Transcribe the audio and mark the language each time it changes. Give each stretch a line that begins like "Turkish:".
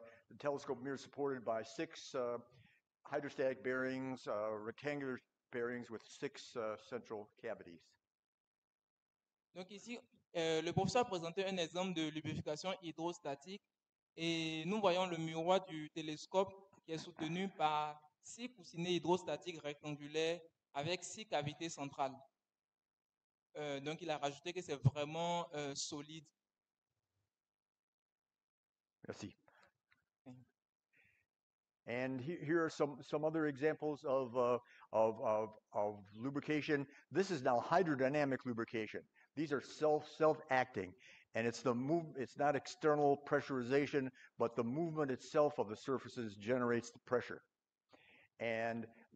English: The telescope mirror supported by six hydrostatic bearings, rectangular bearings with six central cavities.
French: Donc ici, le professeur a présenté un exemple de lubrification hydrostatique et nous voyons le miroir du télescope qui est soutenu par six coussinets hydrostatiques rectangulaires avec six cavités centrales. Donc il a rajouté que c'est vraiment solide. Merci.
English: And here are some other examples of lubrication. This is now hydrodynamic lubrication. These are self acting, and it's the move. It's not external pressurization, but the movement itself of the surfaces generates the pressure. And